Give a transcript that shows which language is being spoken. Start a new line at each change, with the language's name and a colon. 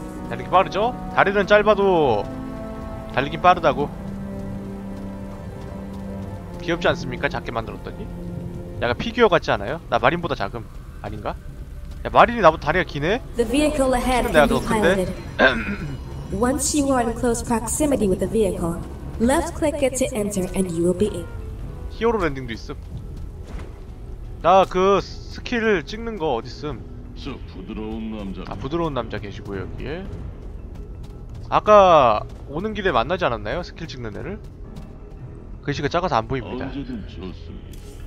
Korean: 달리기 빠르죠? 다리는 짧아도 달리긴 빠르다고. 귀엽지 않습니까? 작게 만들었더니. 약간 피규어 같지 않아요? 나 마린보다 작음. 아닌가? 야 마린이 나보다 다리가 기네? 내가 더 큰데?
English: Once you are in close proximity with the vehicle, left click it to enter and you will be in.
Korean: 히어로 랜딩도 있음. 나 그 스킬 찍는 거 어딨음. 저 부드러운 남자. 아 부드러운 남자 계시고요 여기에. 아까 오는 길에 만나지 않았나요? 스킬 찍는 애를? 글씨가 작아서 안 보입니다. 언제든 좋습니다.